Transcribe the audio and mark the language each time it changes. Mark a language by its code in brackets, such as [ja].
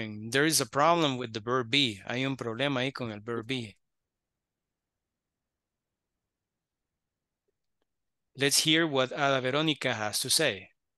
[en] There is a problem with the verb be. [es] Hay un problema ahí con el verb be. [en] Let's hear what Ada Veronica has to say.